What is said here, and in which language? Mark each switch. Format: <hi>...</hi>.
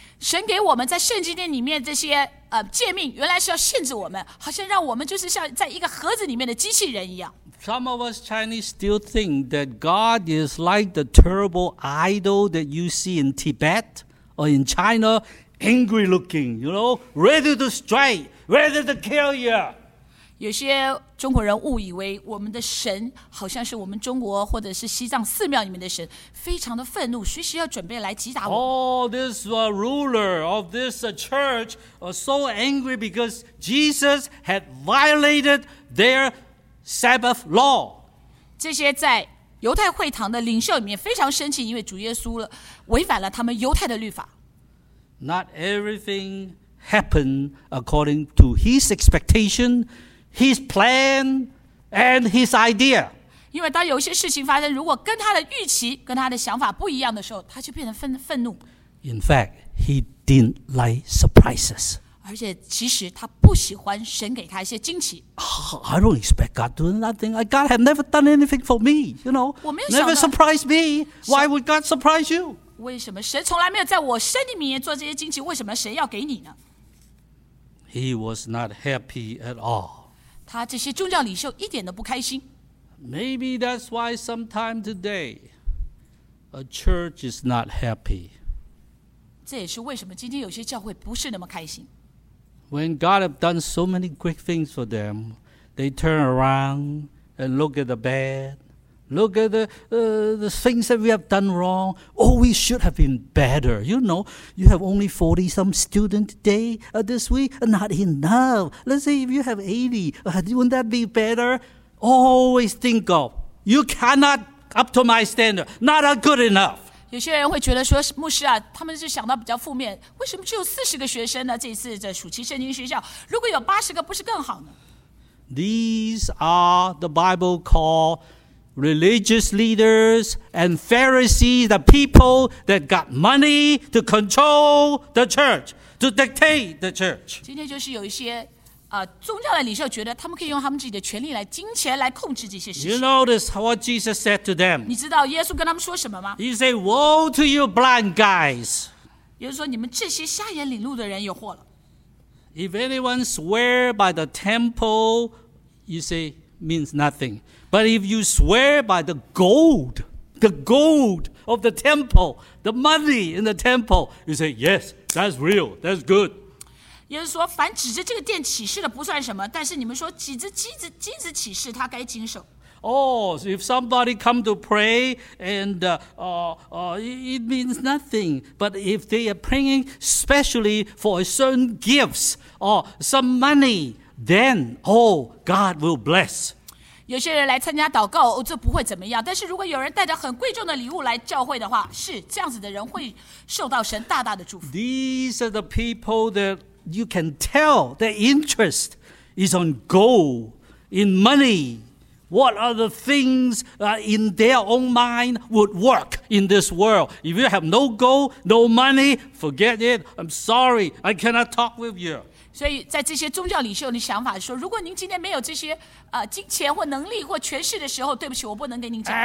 <zh>神给我们在圣经里面这些诫命，原来是要限制我们，好像让我们就是像在一个盒子里面的机器人一样。</zh> <en>Some of us Chinese still think that God is like the terrible idol that you see in Tibet or in China, angry looking, you know, ready to strike, ready to kill you.</en> <zh>有些中国人误以为我们的神好像是我们中国或者是西藏寺庙里面的神，非常的愤怒，随时要准备来击打我。</zh> <en>Oh, this ruler of this church was so angry because Jesus had violated their Sabbath law.</en> <zh>这些在犹太会堂的领袖里面非常生气，因为主耶稣违反了他们犹太的律法。</zh> <en>Not everything happened according to his expectation. His plan and his idea.</en> <zh>因为当有些事情发生，如果跟他的预期、跟他的想法不一样的时候，他就变成愤怒。</zh> <en>In fact, he didn't like surprises.</en> <zh>而且其实他不喜欢神给他一些惊奇。</zh> <en>I don't expect God to do nothing. God had never done anything for me, you know.</en> <zh>我没有想到。</zh> <en>Never surprised me. Why would God surprise you?</en> <zh>为什么神从来没有在我生命里面做这些惊奇？为什么神要给你呢？</zh> <en>He was not happy at all.</en> <zh>他这些宗教领袖一点都不开心。</zh> <en>Maybe that's why sometime today a church is not happy. 这也是为什么今天有些教会不是那么开心。 When God has done so many great things for them, they turn around and look at the bad, look at the things that we have done wrong. Oh, we should have been better. You know, you have only 40 some students today, this week, not enough. Let's say if you have 80, wouldn't that be better? Always think of, you cannot up to my standard, not good enough.</en> <zh>有些人会觉得说，牧师啊，他们是想到比较负面，为什么只有40个学生呢？这一次的暑期圣经学校，如果有80个，不是更好呢？</zh> <en>These are the Bible call religious leaders and Pharisees, the people that got money to control the church, to dictate the church.</en> <zh>今天就是有一些宗教的领袖觉得他们可以用他们自己的权力来金钱来控制这些事情。</zh> <en>You notice what Jesus said to them.</en> <zh>你知道耶稣跟他们说什么吗？</zh> <en>He said, Woe to you blind guys.</en> <zh>耶稣说你们这些瞎眼领路的人有祸了。</zh> <en>If anyone swear by the temple, you say, means nothing. But if you swear by the gold of the temple, the money in the temple, you say, yes, that's real, that's good.</en> <zh>耶稣说凡指着这个殿起誓的不算什么，但是你们说指着金子起誓，他该谨守。</zh> <en>Oh, if somebody come to pray and it means nothing. But if they are praying specially for certain gifts or some money, then, oh, God will bless.</en> <zh>有些人来参加祷告，这不会怎么样。但是如果有人带着很贵重的礼物来教会的话，是这样子的人会受到神大大的祝福。</zh> <en>These are the people thatYou can tell their interest is on gold, in money. What are the things in their own mind would work in this world? If you have no gold, no money, forget it. I'm sorry, I cannot talk with you.</en> <zh>所以在这些宗教领袖的想法说，如果您今天没有这些金钱或能力或权势的时候，对不起，我不能跟您讲话。</zh>